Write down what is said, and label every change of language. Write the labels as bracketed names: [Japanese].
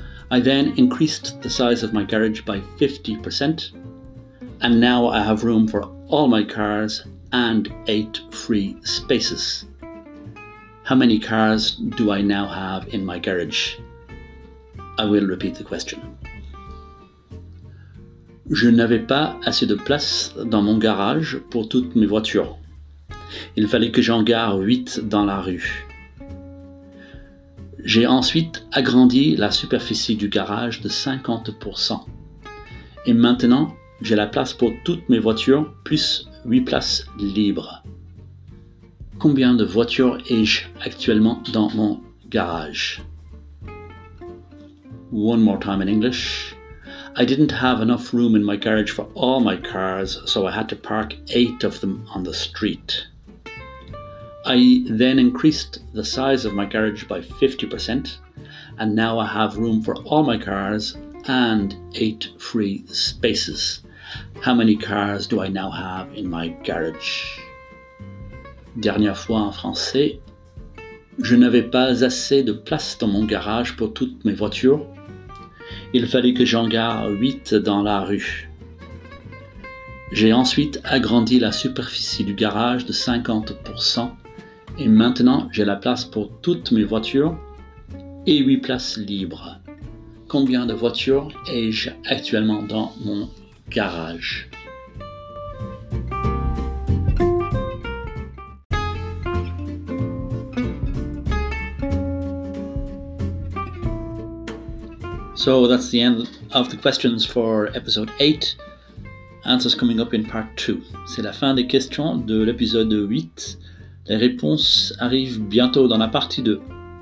[English] I then increased the size of my garage by 50%, and now I have room for all my cars and 8 free spaces. How many cars do I now have in my garage? I will repeat the question. [French] Je n'avais pas assez de place dans mon garage pour toutes mes voitures. Il fallait que j'en gare 8 dans la rue. J'ai ensuite agrandi la superficie du garage de 50%. Et maintenant, j'ai la place pour toutes mes voitures plus 8 places libres. Combien de voitures ai-je actuellement dans mon garage? [English] One more time in English. I didn't have enough room in my garage for all my cars, so I had to park 8 of them on the street. I then increased the size of my garage by 50%, and now I have room for all my cars and 8 free spaces. How many cars do I now have in my garage? [French] Dernière fois en français. Je n'avais pas assez de place dans mon garage pour toutes mes voitures. Il fallait que j'en gare 8 dans la rue. J'ai ensuite agrandi la superficie du garage de 50% et maintenant j'ai la place pour toutes mes voitures et 8 places libres. Combien de voitures ai-je actuellement dans mon garage? [English] So that's the end of the questions for episode 8. Answers coming up in part 2. [French] C'est la fin des questions de l'épisode 8. Les réponses arrivent bientôt dans la partie 2.